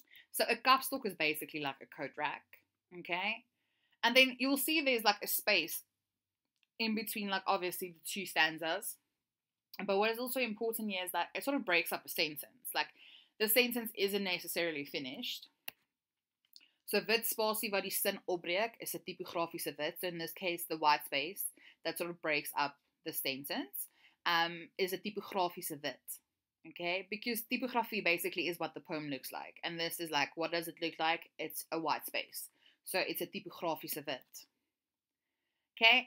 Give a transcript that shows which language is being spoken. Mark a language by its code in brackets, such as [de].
[en] So a kapstok is basically like a coat rack, okay? And then you'll see there's like a space in between, like, obviously the two stanzas. But what is also important here is that it sort of breaks up a sentence. Like, the sentence isn't necessarily finished. [af] So wit spasie wat die sin opbreek is 'n typografiese wit. [en] So in this case, the white space that sort of breaks up the sentence. Is a typografische wit, okay? Because typography basically is what the poem looks like. And this is like, what does it look like? It's a white space. So it's a typografische wit. Okay?